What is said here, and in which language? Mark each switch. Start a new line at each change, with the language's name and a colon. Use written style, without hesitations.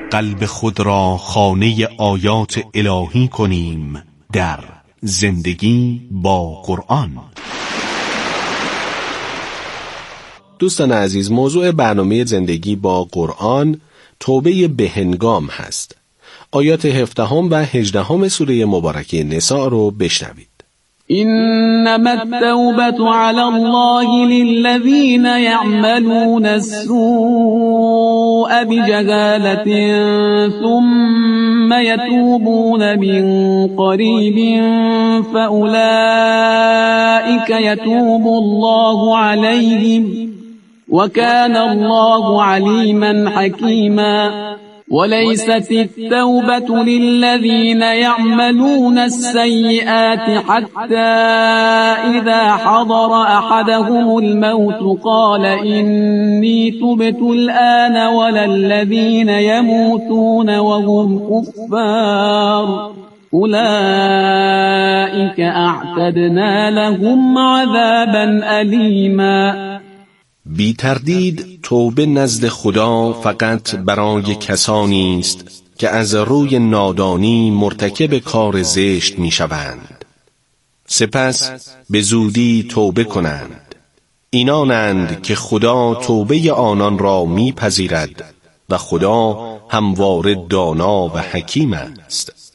Persian: قلب خود را خانه آیات الهی کنیم در زندگی با قرآن. دوستان عزیز، موضوع برنامه زندگی با قرآن توبه بهنگام هست. آیات 17 و 18 سوره مبارکه نساء رو بشنوید.
Arabic: انما التوبه على الله للذين يعملون السوء بجهاله ثم يتوبون من قريب فاولئك يتوب الله عليهم وكان الله عليما حكيما. وليست التوبة للذين يعملون السيئات حتى إذا حضر أحدهم الموت قال إني تبت الآن ولا الذين يموتون وهم كفار أولئك أعتدنا لهم عذابا أليما.
Persian: بی تردید توبه نزد خدا فقط برای کسانی است که از روی نادانی مرتکب کار زشت می شوند. سپس به زودی توبه کنند. اینانند که خدا توبه آنان را می پذیرد و خدا همواره دانا و حکیم است.